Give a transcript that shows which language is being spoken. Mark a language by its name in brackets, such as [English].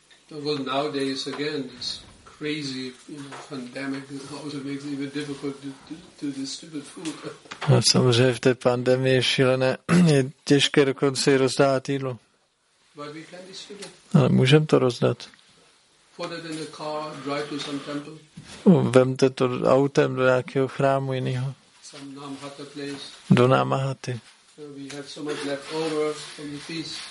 [English] Well, nowadays again, this crazy, pandemic also makes it even difficult to distribute food. [Czech] No, samozřejmě v té pandemii šílené je těžké dokonce i rozdávat jídlo. [English] But we can distribute. [Czech] Ale můžeme to rozdat. [English] Put it in the car, drive to some temple. [Czech] Vemte to autem do nějakého chrámu jiného. [English] Some Namahata place. [Czech] Do Namahaty. [English] We have so much left over from the feast.